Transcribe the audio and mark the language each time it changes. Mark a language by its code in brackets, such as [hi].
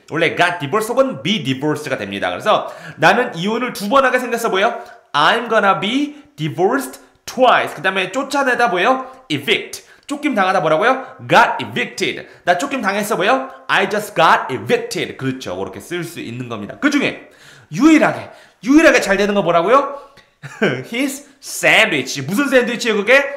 [ko] 원래 [en] got divorced [ko] 혹은 [en] be divorced [ko] 가 됩니다. 그래서 나는 이혼을 두 번 하게 생겼어 보여? [en] I'm gonna be divorced twice. [ko] 그 다음에 쫓아내다 보여? Evict. 쫓김 당하다 뭐라고요? [en] Got evicted. [ko] 나 쫓김 당했어 보여? [en] I just got evicted. [ko] 그렇죠. 그렇게 쓸 수 있는 겁니다. 그 중에 유일하게 잘 되는 거 뭐라고요? [en] His sandwich. [ko] 무슨 샌드위치예요 그게?